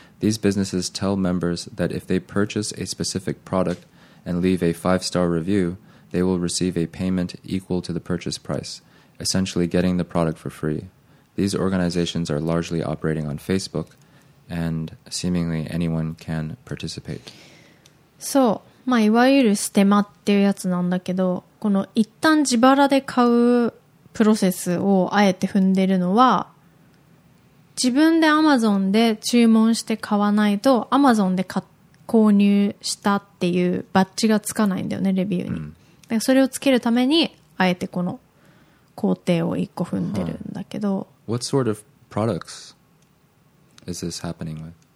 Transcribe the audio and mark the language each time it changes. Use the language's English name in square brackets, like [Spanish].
[English] These businesses tell members that if they purchase a specific product and leave a five-star review, they will receive a payment equal to the purchase price, essentially getting the product for free. These organizations are largely operating on Facebook, and seemingly anyone can participate. So, [Japanese] いわゆるステマっていうやつなんだけど、この一旦自腹で買う プロセスをあえて踏んでるのは、自分でAmazonで注文して買わないとAmazonで購入したっていうバッジがつかないんだよね、レビューに。それをつけるためにあえてこの工程を一個踏んでるんだけど。 [English] What sort of products is this happening with?